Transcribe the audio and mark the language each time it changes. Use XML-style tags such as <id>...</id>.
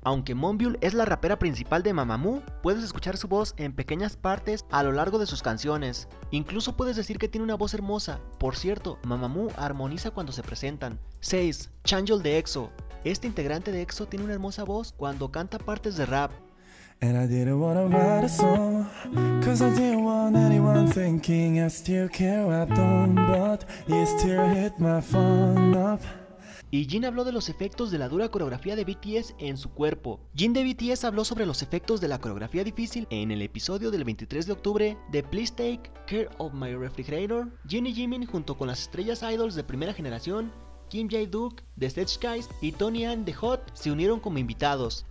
<es>Aunque Monbiul es la rapera principal de Mamamoo, puedes escuchar su voz en pequeñas partes a lo largo de sus canciones. Incluso puedes decir que tiene una voz hermosa. Por cierto, Mamamoo armoniza cuando se presentan. 6. Changyol de EXO. Este integrante de EXO tiene una hermosa voz cuando canta partes de rap.</es> <en>And I didn't wanna write a song, 'cause I didn't want anyone thinking I still care, I don't, but you still hit my phone up.</en> <es>Y Jin habló de los efectos de la dura coreografía de BTS en su cuerpo. Jin de BTS habló sobre los efectos de la coreografía difícil en el episodio del 23 de octubre de Please Take Care of My Refrigerator. Jin y Jimin, junto con las estrellas idols de primera generación, Kim Jae-duk de Stageguys y Tony Ann de HOT, se unieron como invitados.</es>